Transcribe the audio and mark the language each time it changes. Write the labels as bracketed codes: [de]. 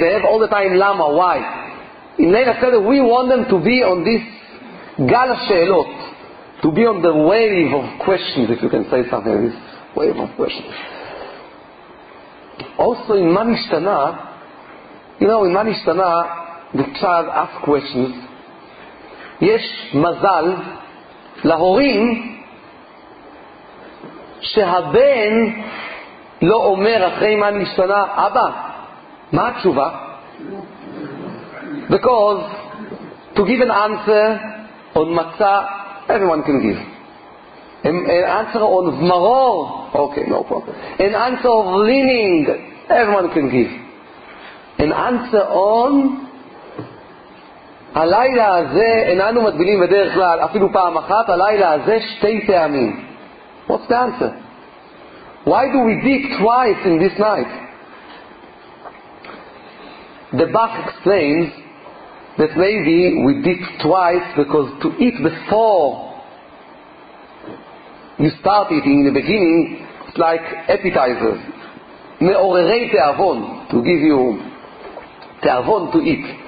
[en] They have all the time למה, why? In Leila Seder, we want them to be on this [he] גל השאלות. [en] To be on the wave of questions, if you can say something like this. Wave of questions. Also, in מה נשתנה? You know, in מה נשתנה, the child asks questions. [he] יש מזל להורים שהבן לא אומר אחרי מה נשתנה, אבא, מה התשובה? [en] Because to give an answer on מצה, everyone can give. An answer on מרור, okay, no problem. An answer of leaning, everyone can give. An answer on [he] הלילה הזה, איננו מדבילים בדרך כלל, אפילו פעם אחת, הלילה הזה שתי פעמים. [en] What's the answer? Why do we dig twice in this night? The Bach explains that maybe we dig twice because to eat before you start it in the beginning like appetizers, [he] me'orerei te'avon, [en] to give you te'avon to eat.